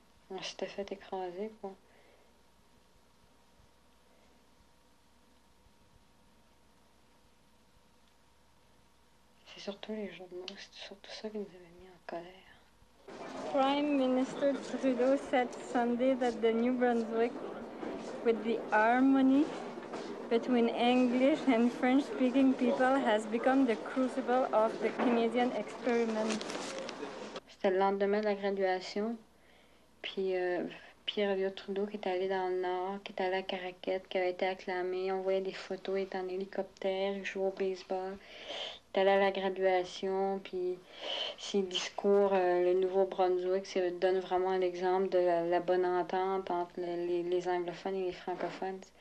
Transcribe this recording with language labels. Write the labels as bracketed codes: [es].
[fr] On s'était fait écraser, quoi. Surtout les journaux, c'est surtout ça qui nous avait mis en colère. [en] Prime Minister Trudeau said Sunday that the New Brunswick, with the harmony between English and French-speaking people, has become the crucible of the Canadian experiment. [fr] C'était le lendemain de la graduation, puis Pierre-Éliott Trudeau qui est allé dans le Nord, qui est allé à Caraquet, qui avait été acclamé, on voyait des photos, il était en hélicoptère, il jouait au baseball. Il est allé à la graduation, puis ses discours, le Nouveau-Brunswick, donne vraiment l'exemple de la bonne entente entre les anglophones et les francophones.